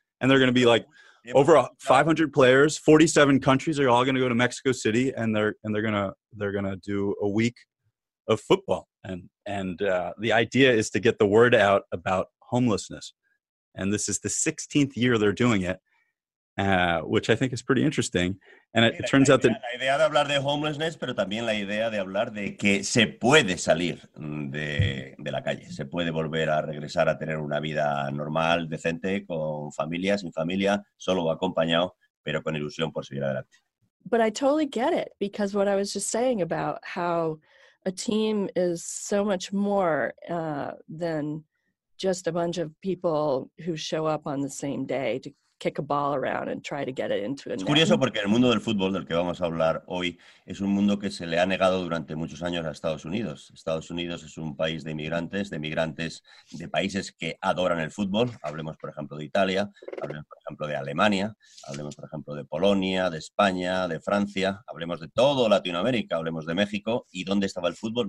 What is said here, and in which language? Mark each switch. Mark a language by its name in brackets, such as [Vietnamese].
[English] And they're going to be like over 500 players, 47 countries are all going to go to Mexico City, and they're going to do a week of football. And the idea is to get the word out about homelessness. And this is the 16th year they're doing it, which I think is pretty interesting. And it turns out that... [Spanish] La idea de hablar de homelessness, pero también la idea de hablar de que se puede salir de la calle. Se puede volver a regresar a tener una vida normal, decente, con familia, sin familia, solo o acompañado, pero con ilusión por seguir adelante. [English] But I totally get it, because what I was just saying about how... A team is so much more than just a bunch of people who show up on the same day to kick a ball around and try to get it into a net. [Spanish] Es curioso porque el mundo del fútbol del que vamos a hablar hoy es un mundo que se le ha negado durante muchos años a Estados Unidos. Estados Unidos es un país de inmigrantes de países que adoran el fútbol. Hablemos, por ejemplo, de Italia, hablemos, por ejemplo, de Alemania, hablemos, por ejemplo, de Polonia, de España, de Francia, hablemos de todo Latinoamérica, hablemos de México. ¿Y dónde estaba el fútbol?